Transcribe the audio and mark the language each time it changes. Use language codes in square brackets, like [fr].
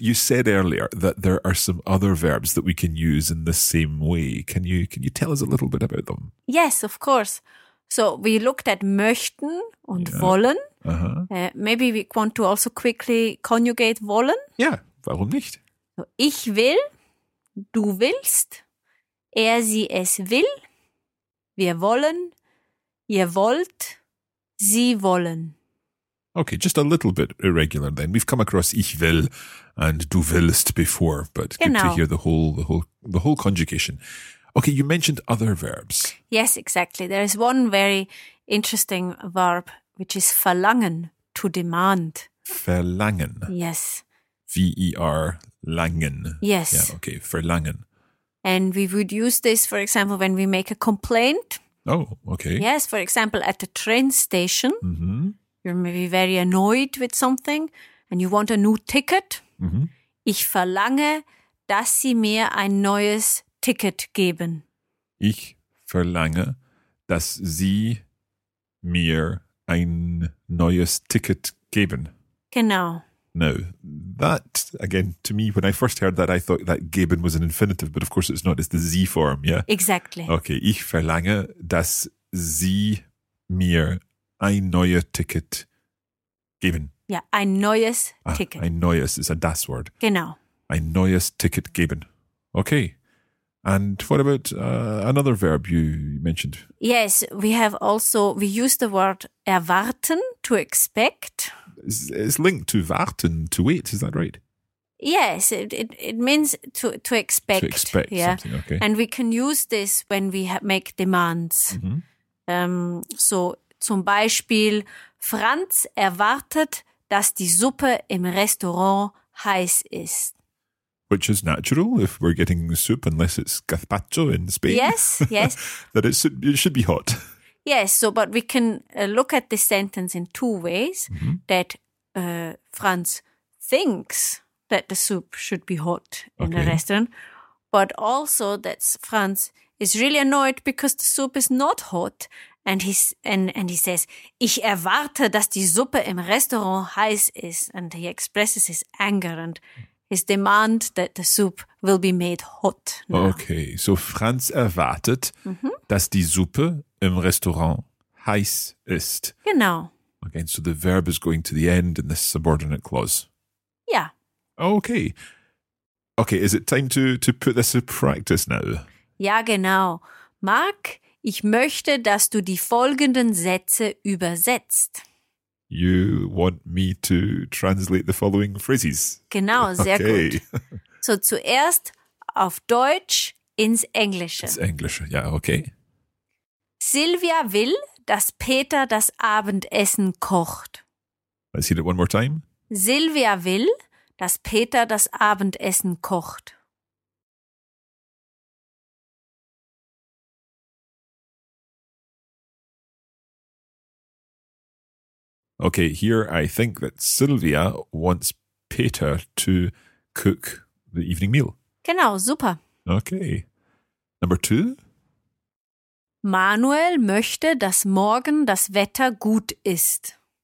[en] You said earlier that there are some other verbs that we can use in the same way. Can you tell us a little bit about them? Yes, of course. So we looked at [de] möchten und [en] yeah. wollen. Uh-huh. Maybe we want to also quickly conjugate wollen. [de] Yeah, warum nicht? So, ich will, du willst, er, sie, es will, wir wollen, ihr wollt, sie wollen. [en] Okay, just a little bit irregular then. We've come across [de] ich will [en] and [de] du willst [en] before, but [de] genau. [en] Good to hear the whole conjugation. Okay, you mentioned other verbs. Yes, exactly. There is one very interesting verb, which is verlangen, to demand. [de] Verlangen. [en] Yes. [de] V-E-R-langen. [en] Yes. Yeah, okay, verlangen. And we would use this, for example, when we make a complaint. Oh, okay. Yes, for example, at the train station, mm-hmm. you're maybe very annoyed with something and you want a new ticket. Mm-hmm. [de] Ich verlange, dass Sie mir ein neues Ticket geben. Ich verlange, dass Sie mir ein neues Ticket geben. Genau. [en] Now, that, again, to me, when I first heard that, I thought that geben was an infinitive, but of course it's not. It's the Z form, yeah? Exactly. Okay, [de] ich verlange, dass Sie mir ein neues Ticket geben. [en] Yeah, [de] ein neues Ticket. Ein neues [en] is a das word. [de] Genau. Ein neues Ticket geben. Okay. [en] And what about another verb you mentioned? Yes, we use the word erwarten, to expect. It's linked to warten, to wait, is that right? Yes, it means to expect. To expect, yeah, something, okay. And we can use this when we make demands. Mm-hmm. [de] So zum Beispiel, Franz erwartet, dass die Suppe im Restaurant heiß ist. [en] Which is natural if we're getting soup, unless it's gazpacho in Spain. Yes, yes. That it should be hot. Yes, so but we can look at this sentence in two ways. Mm-hmm. That Franz thinks that the soup should be hot in the restaurant. But also that Franz is really annoyed because the soup is not hot. And he says, [de] ich erwarte, dass die Suppe im Restaurant heiß ist. [en] And he expresses his anger and his demand that the soup will be made hot now. [de] Okay, so Franz erwartet, mm-hmm. dass die Suppe im Restaurant heiß ist. Genau. [en] Okay, so the verb is going to the end in this subordinate clause. Yeah. Okay. Okay, is it time to put this to practice now? [de] Ja, genau. Mark, Ich möchte, dass du die folgenden Sätze übersetzt. [en] You want me to translate the following phrases. [de] Genau, sehr okay. Gut. So, zuerst auf Deutsch ins Englische. Ins Englische, ja, okay. Silvia will, dass Peter das Abendessen kocht. [en] I see that one more time. [de] Silvia will, dass Peter das Abendessen kocht. [en] Okay, here I think that Sylvia wants Peter to cook the evening meal. [de] Genau, super. [en] Okay. Number two. [de] Manuel möchte, dass morgen das Wetter gut ist.